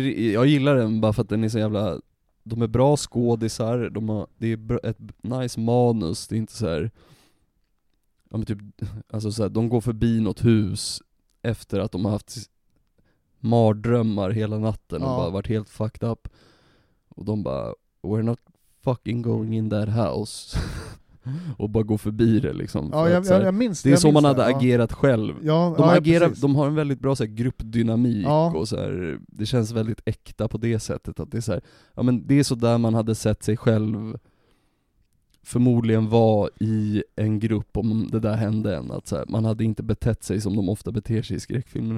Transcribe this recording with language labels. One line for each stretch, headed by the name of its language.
Swedish: Jag gillar den bara för att den är så jävla. De är bra skådisar, det är ett nice manus, det är inte så här, ja, men typ, alltså så här, de går förbi något hus efter att de har haft mardrömmar hela natten och bara varit helt fucked up. Och de bara,
English: we're not fucking going in that house.
Swedish: Och bara går förbi det liksom. Ja, jag minns det. Det är så man hade agerat själv. Ja, de har en väldigt bra så här, gruppdynamik. Ja. Och så här, det känns väldigt äkta på det sättet. Att det är så här, ja, men det är så där man hade sett sig själv förmodligen var i en grupp om det där hände än, att så här, man hade inte betett sig som de ofta beter sig i skräckfilmer.